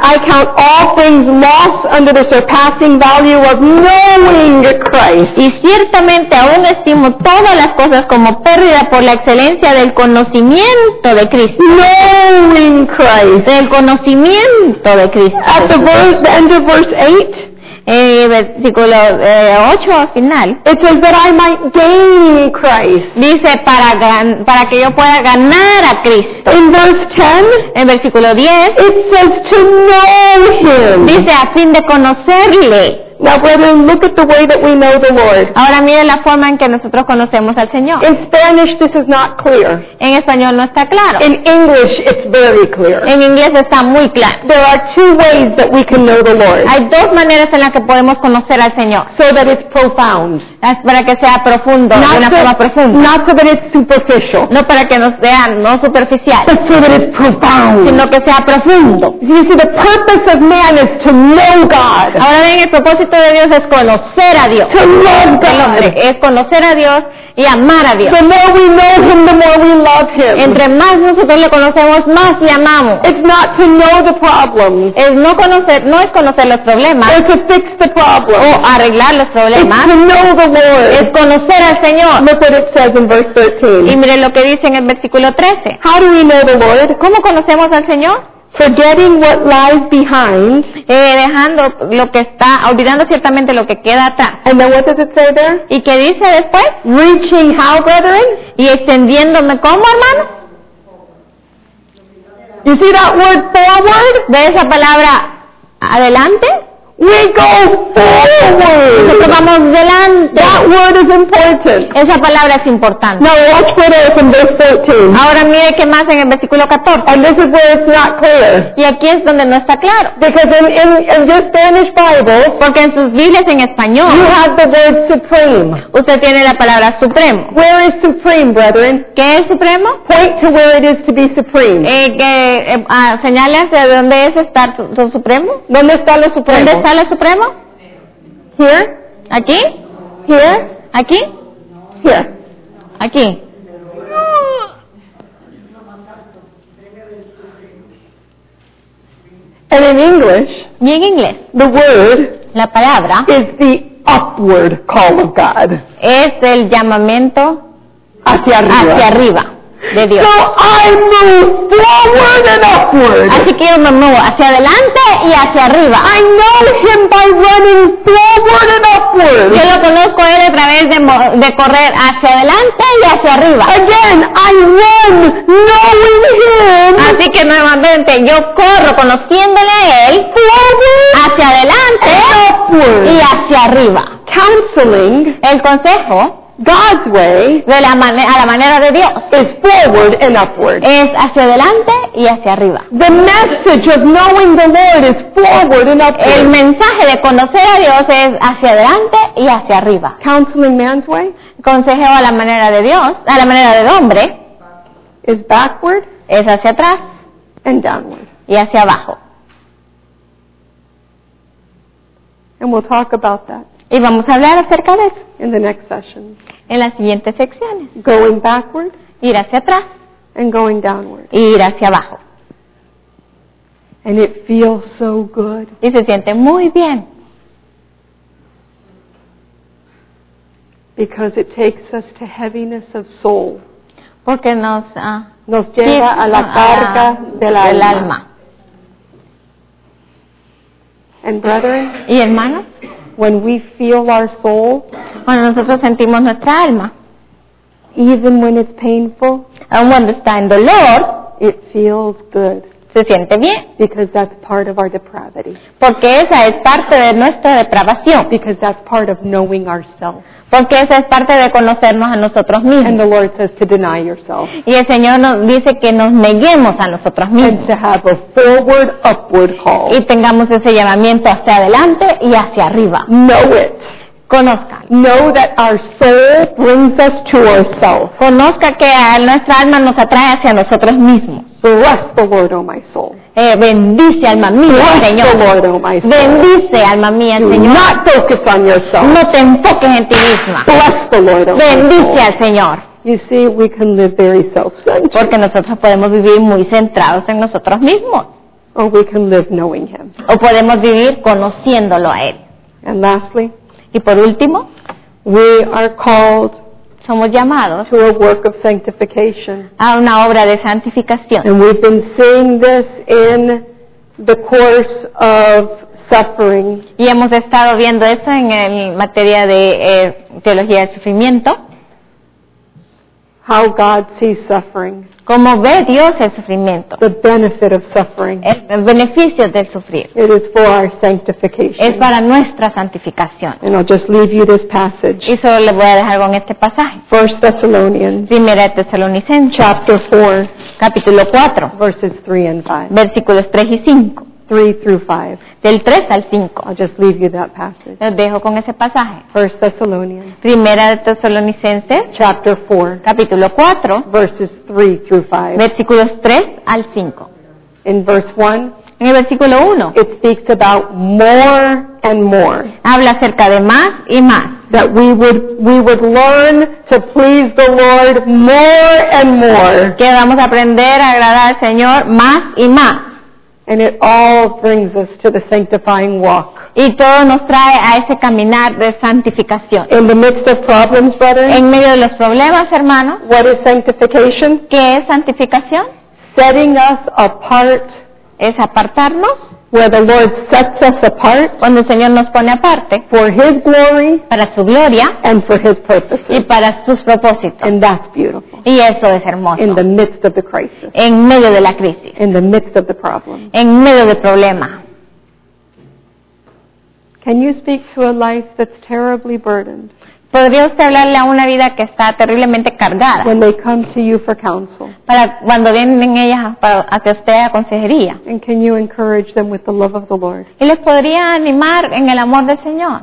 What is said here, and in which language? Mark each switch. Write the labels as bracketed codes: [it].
[en] I count all things lost under the surpassing value of knowing Christ. [es] Y ciertamente aún estimo todas las cosas como pérdida por la excelencia del conocimiento de Cristo. [en] Knowing Christ. [es] Del conocimiento de Cristo. [en] At the end of verse 8. [es] Versículo 8 al final. [en] It says that I might gain Christ. [es] Dice para que yo pueda ganar a Cristo. [en] In verse 10. [es] En versículo 10. [en] It says to know him. [es] Dice a fin de conocerle. [en] Now, brethren, look at the way that we know the Lord. [es] Ahora miren la forma en que nosotros conocemos al Señor. [en] In Spanish, this is not clear. [es] En español no está claro. [en] In English, it's very clear. [es] En inglés está muy claro. [en] There are two ways that we can know the Lord. [es] Hay dos maneras en las que podemos conocer al Señor. [en] So that it's profound. [es] Es para que sea profundo, [en] not [es] de una forma profunda. [en] Not so that it's superficial. [es] No para que nos vean no superficial. [en] But so that it's profound. [es] Sino que sea profundo. [en] You see, the purpose of man is to know God. [es] Ahora ven, el propósito de Dios es conocer a Dios. [en] To love God. [es] El hombre es conocer a Dios y amar a Dios. [en] The more we know Him, the more we love Him. [es] Entre más nosotros le conocemos, más le amamos. [en] It's not to know the problems. [es] Es no conocer, no es conocer los problemas. [en] It's to fix the problems. [es] O arreglar los problemas. [en] It's to know the Lord. [es] Es conocer al Señor. [en] Look what it says in verse 13. [es] Y miren lo que dice en el versículo 13. [en] How do we know the Lord? [es] ¿Cómo conocemos al Señor? [en] Forgetting what lies behind, [es] dejando lo que está, olvidando ciertamente lo que queda atrás. [en] And then what does it say there? [es] ¿Y qué dice después? [en] Reaching how, brethren? [es] ¿Y extendiéndome cómo, hermano? [en] You see that word forward? [es] ¿Ve esa palabra adelante? [en] We go forward. [es] Nosotros vamos delante. [en] That word is important. [es] Esa palabra es importante. [en] Now watch what else in verse 13. [es] Ahora mire qué más en el versículo 14. [en] And this is where it's not clear. [es] Y aquí es donde no está claro. [en] Because in your Spanish Bible, [es] porque en sus Biblias en español, [en] you have the word supreme. [es] Usted tiene la palabra supremo. [en] Where is supreme, brethren? [es] ¿Qué es supremo? [en] Point to where it is to be supreme. [es] Señale hacia dónde es estar supremo. ¿Dónde está lo supremo? ¿Dónde está lo supremo? [en] Here. [es] ¿Aquí? [en] Here. [es] ¿Aquí? [en] Here. [es] ¿Aquí? [en] And in English, [es] y en inglés, [en] the word, [es] la palabra, [en] is the upward call of God. [es] Es el llamamiento hacia arriba. De Dios. [en] So I move forward and upward. [es] Así que yo me muevo hacia adelante y hacia arriba. [en] I know Him by running forward and upward. [es] Yo lo conozco a Él a través de correr hacia adelante y hacia arriba. [en] Again, I run knowing Him. [es] Así que nuevamente yo corro conociéndole a Él [en] forward, [es] hacia adelante [en] and upward. [es] Y hacia arriba. [en] Counseling, [es] el consejo, [en] God's way, [es] de la a la manera de Dios, [en] is forward and upward. [es] Es hacia adelante y hacia arriba. [en] The message of knowing the Lord is forward and upward. [es] El mensaje de conocer a Dios es hacia adelante y hacia arriba. [en] Counseling man's way, [es] consejo a la manera de Dios, a la manera del hombre, [en] is backward, [es] es hacia atrás, [en] and downward, [es] y hacia abajo. [en] And we'll talk about that. [es] Y vamos a hablar acerca de eso. [en] In the next session. [es] En las siguientes secciones. [en] Going backward. [es] Ir hacia atrás. [en] And going downward. [es] Y ir hacia abajo. [en] And it feels so good. [es] Y se siente muy bien. [en] Because it takes us to heaviness of soul. [es] Porque nos nos lleva a la carga del alma. [en] And brethren. [es] Y hermanos. [en] When we feel our soul, [es] cuando nosotros sentimos nuestra alma, [en] even when it's painful, and when [es] está en dolor, [en] it feels good. [es] Se siente bien. [en] Because that's part of our depravity. [es] Porque esa es parte de nuestra depravación. [en] Because that's part of knowing ourselves. [es] Porque esa es parte de conocernos a nosotros mismos. [en] And the Lord says to deny yourself. [es] Y el Señor nos dice que nos neguemos a nosotros mismos. [en] And to have a forward, upward call. [es] Y tengamos ese llamamiento hacia adelante y hacia arriba. [en] Know it. [es] Conozca. [en] Know that our soul brings us to ourselves. [es] Conozca que nuestra alma nos atrae hacia nosotros mismos. [en] Bless the Lord, oh my soul. [es] Bendice alma mía, [en] bless [es] Señor. [en] The Lord, oh my soul. [es] Bendice alma mía, Señor. [en] Not focus on yourself. [es] No te enfoques en ti misma. [en] Bless the Lord, oh [es] bendice [en] my soul. [es] Al Señor. [en] You see, we can live very self-centered. [es] Porque nosotros podemos vivir muy centrados en nosotros mismos. [en] Or we can live knowing Him. [es] O podemos vivir conociéndolo a Él. [en] And lastly, [es] y por último, [en] we are called, [es] somos llamados, [en] to a work of sanctification, [es] a una obra de santificación. [en] And we've been seeing this in the course of suffering. [es] Y hemos estado viendo esto en materia de teología del sufrimiento. [en] how God sees suffering. [es] Como ve Dios el sufrimiento. [en] The benefit of suffering. [es] El beneficio del sufrir. [en] It is for our sanctification. [es] Es para nuestra santificación. [en] And I'll just leave you this passage. [es] Y solo le voy a dejar con este pasaje. [en] 1 Thessalonians. [es] Primera de Tesalonicenses. [en] Chapter 4. [es] Capítulo 4. [en] Verses 3 and 5. [es] Versículos 3 y 5. [en] 3 through 5. [es] Del 3 al 5. [en] I'll just leave you that passage. [es] Les dejo con ese pasaje. [en] 1 Thessalonians. [es] Primera de Tesalonicenses. [en] Chapter 4. [es] Capítulo 4. [en] Verses 3 through 5. [es] Versículos 3 al 5. [en] In verse 1. [es] En el versículo 1. [en] It speaks about more and more. [es] Habla acerca de más y más. [en] That we would learn to please the Lord more and more. [es] Que vamos a aprender a agradar al Señor más y más. [en] And it all brings us to the sanctifying walk. [es] Y todo nos trae a ese caminar de santificación. [en] In the midst of problems, brother. [es] En medio de los problemas, hermano. [en] What is sanctification? [es] ¿Qué es santificación? [en] Setting us apart. [es] Es apartarnos. [en] Where the Lord sets us apart. [es] Cuando el Señor nos pone aparte. [en] For His glory. [es] Para su gloria. [en] And for His purposes. [es] Y para sus propósitos. [en] And that's beautiful. [es] Y eso es hermoso. [en] In the midst of the crisis. [es] En medio de la crisis. [en] In the midst of the problem. [es] En medio del problema. [en] Can you speak to a life that's terribly burdened? [es] ¿Podría usted hablarle a una vida que está terriblemente cargada? [en] When they come to you for counsel. [es] Para cuando vienen ellas a que usted a consejería. [en] And can you encourage them with the love of the Lord? [es] ¿Y les podría animar en el amor del Señor?